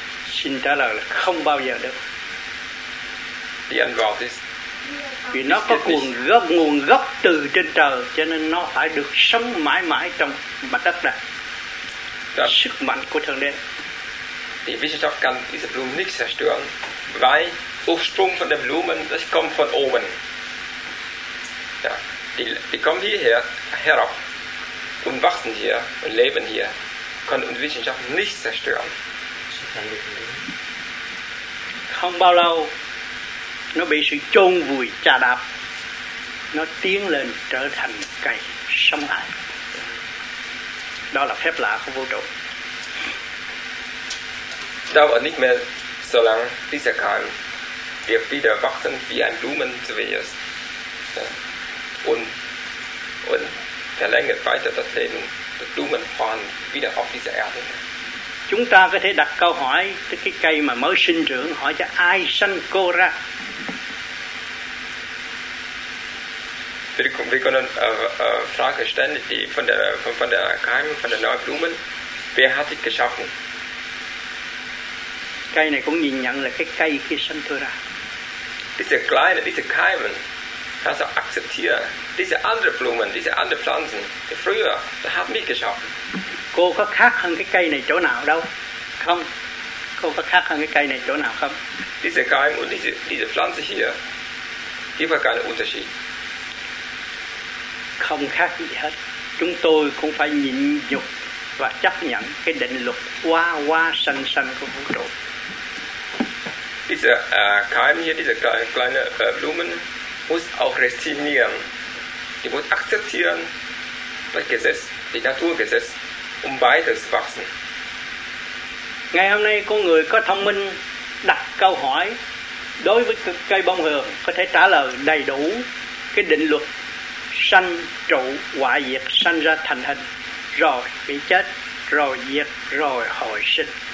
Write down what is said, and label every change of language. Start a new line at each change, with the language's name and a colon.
Vietnamese: Xin trả lời là không bao giờ được.
German: Die Antwort ist,
Vietnamese: vì nó có nguồn gốc từ trên trời, cho nên nó phải được sống mãi mãi trong mặt đất này. Das sức mạnh của thượng đế.
German: Die Wissenschaft kann diese Blumen nicht zerstören, weil Ursprung von den Blumen, das kommt von oben. Ja, die kommen hierher, herab und wachsen hier und leben hier. Kann die Wissenschaft nicht zerstören.
Vietnamese: Không bao lâu nó bị sự chôn vùi chà đạp, nó tiến lên trở thành cây sống lại. Đó là phép lạ của vũ trụ.
German: Dauert nicht mehr so lang, dieser Keim wird wieder wachsen wie ein Blumen zu wirst und verlängert weiter das Leben des Blumen von wieder auf dieser Erde.
Vietnamese: Chúng ta có thể đặt câu hỏi tới cái cây mà mới sinh trưởng, hỏi cho ai sanh cô ra.
German: Wir können eine Frage stellen, die von der Keim, von der neuen Blumen. Wer hat dich geschaffen?
Vietnamese: Cây này cũng nhìn nhận là cái cây kia sinh thưa ra.
German: Diese kleine, diese Keime, kannst du akzeptieren. Diese andere Blumen, diese andere Pflanzen, die früher, die haben mich geschaffen.
Vietnamese: Cô có khác hơn cái cây này chỗ nào đâu? Không. Cô có khác hơn cái cây này chỗ nào không?
German: Diese Keime und diese Pflanze hier, hier war keine Unterschied.
Vietnamese: Không khác gì hết. Chúng tôi cũng phải nhịn nhục và chấp nhận cái định luật qua qua sanh sanh của vũ trụ.
German: Diese Keime hier, diese kleine Blumen, muss auch resignieren. Die muss akzeptieren das Gesetz, die Naturgesetz, um weiter zu wachsen.
Vietnamese: Ngày hôm nay, con người có thông minh đặt câu hỏi đối với cây bông hường có thể trả lời đầy đủ cái định luật sanh trụ quả diệt, sanh ra thành hình rồi bị chết, rồi diệt, rồi hồi sinh.